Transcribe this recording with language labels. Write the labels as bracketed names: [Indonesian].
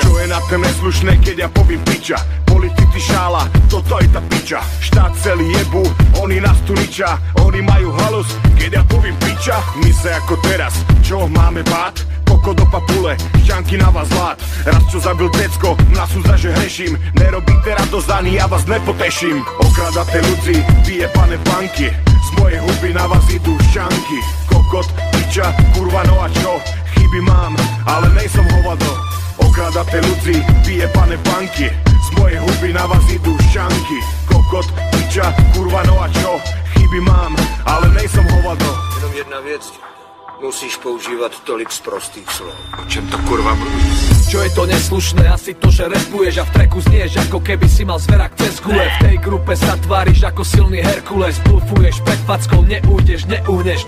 [Slovak] Čo je na to neslušné, keď ja povím piča? Politici šála, toto je tá piča. Štát celý jebu, oni nás tu ničia. Oni majú halus, keď ja povím piča. My sa ako teraz, čo máme bát? Koko do papule, šťanky na vás lát. Raz čo zabil decko, na súdza, že hreším. Nerobíte radosť ani ja vás nepoteším. Okradate ľudzi, vyjebane banky. Z mojej huby na vás idú šťanky. Kokot, piča, kurva, no a čo? Chyby mám, ale [Czech] nejsem hovado. [Slovak] Okradate ľudzi, vyjebane banky. Z mojej huby na vás idú šťanky. Kokot, piča, kurva, no a čo? Chyby mám, ale [Czech] nejsem hovado. Jenom jedna vec, musíš používať tolik sprostých slov. O čem to kurva mluví? [Slovak] Čo je to neslušné? Asi to, že rapuješ a v tracku znieš, ako keby si mal zverak cez gule. V tej grupe sa tváriš ako silný Herkules. Blufuješ pred fackou, neújdeš, neuhneš.